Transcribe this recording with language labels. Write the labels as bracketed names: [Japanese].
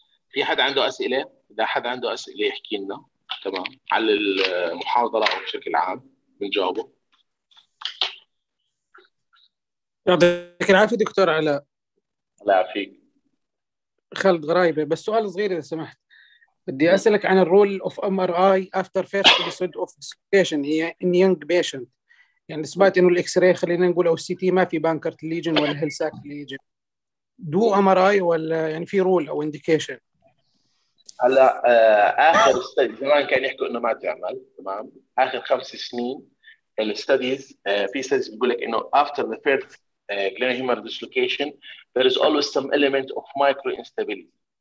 [Arabic] في حد عنده أسئلة؟ إذا حد عنده أسئلة يحكي لنا تمام على المحاضرة أو بشكل عام بنجاوبه. يعطيك العافية دكتور علاء. الله يعافيك. خالد غرايبة، بس سؤال صغير إذا سمحت. بدي أسألك عن الرول [English] of MRI after first episode of dislocation in young patient. [Arabic] يعني إثبات إنه الإكس راي خلينا نقول أو السي تي ما في بانكرت ليجن ولا هيلساك ليجن، دو أم آر آي ولا يعني في رول أو إنديكيشن؟ هلا آخر استدي زمان كان يحكوا إنه ما تعمل تمام، آخر خمس سنين الاستديز في استديز بيقول لك إنه [English] after the first glenohumeral dislocation there is always some element of micro instability.